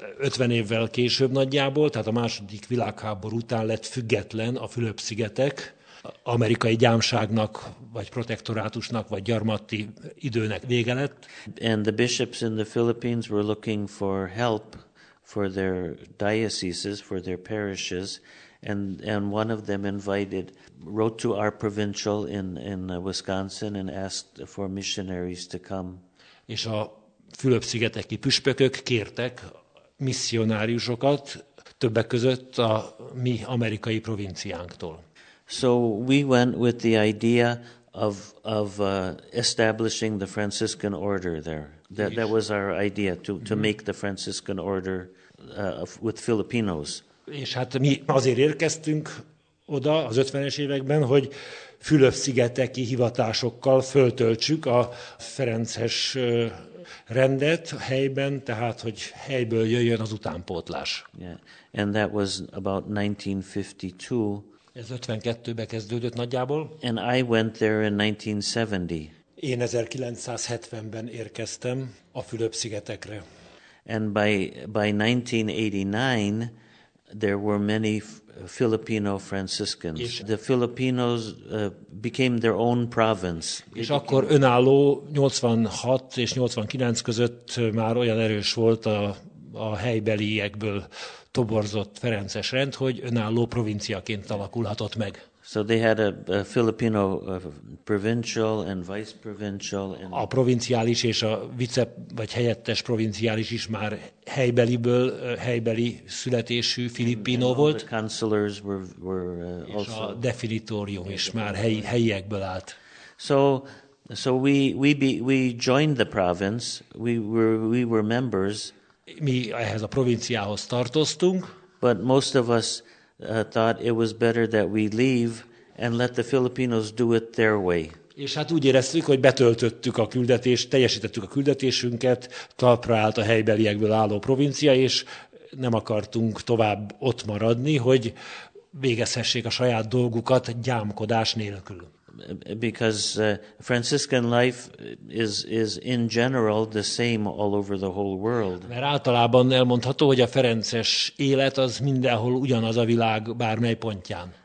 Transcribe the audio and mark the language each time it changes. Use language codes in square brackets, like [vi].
[hu] 50 évvel később nagyjából, tehát a második világháború után lett független a Fülöp-szigetek. amerikai gyámságnak, vagy protektorátusnak, vagy gyarmati időnek vége lett. [en] And the bishops in the Philippines were looking for help for their dioceses, for their parishes, and one of them invited, wrote to our provincial in Wisconsin and asked for missionaries to come. [hu] És a Fülöp-szigeteki püspökök kértek misszionáriusokat, többek között a mi amerikai provinciánktól. [en] So we went with the idea of establishing the Franciscan order there. That was our idea to make the Franciscan order with Filipinos. [hu] És hát mi azért érkeztünk oda az 50-es években, hogy Fülöp-szigeteki hivatásokkal föltöltsük a ferences rendet a helyben, tehát hogy helyből jöjjön az utánpótlás. [en] Yeah. And that was about 1952. [hu] Ez 52-be kezdődött nagyjából. [en] And I went there in 1970. [hu] Én 1970-ben érkeztem a Fülöp-szigetekre. [en] And by 1989 there were many Filipino Franciscans. The Filipinos became their own province. [hu] És akkor önálló 86 és 89 között már olyan erős volt a helybeliekből toborzott ferences rend, hogy önálló provinciaként alakulhatott meg. [en] So they had a Filipino provincial and vice provincial. And [hu] a provinciális és a vice vagy helyettes provinciális is már helybeliből, helybeli születésű Filipino volt. [en] The consulars were also. [hu] És a definitorium is már helyiekből állt. [en] So we joined the province. We were members. [hu] Mi ehhez a provinciához tartoztunk. [en] But most of us thought it was better that we leave and let the Filipinos do it their way. [hu] És hát úgy éreztük, hogy betöltöttük a küldetést, teljesítettük a küldetésünket, talpra állt a helybeliekből álló provincia, és nem akartunk tovább ott maradni, hogy végezhessék a saját dolgukat gyámkodás nélkül. [en] Because Franciscan life is in general the same all over the whole world. [hu] Mert általában elmondható, hogy a ferences élet az mindenhol ugyanaz a világ bármely pontján.